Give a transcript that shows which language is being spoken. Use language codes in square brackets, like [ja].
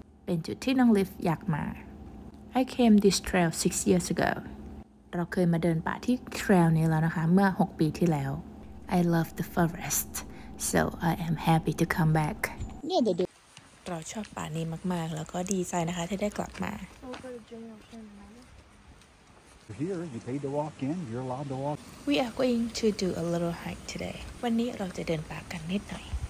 [th] เป็นจุดที่น้องลิฟอยากมา [en] I came this trail 6 years ago. [th] เราเคยมาเดินป่าที่ trail นี้แล้วนะคะเมื่อ6ปีที่แล้ว [en] I love the forest. So I am happy to come back. [th] เนี่ยเด็กเราชอบป่านี้มากๆแล้วก็ดีใจนะคะที่ได้กลับมา [en] Here you paid to walk in you're allowed to walk We are going to do a little hike today [th] วันนี้เราจะเดินป่ากันนิดหน่อย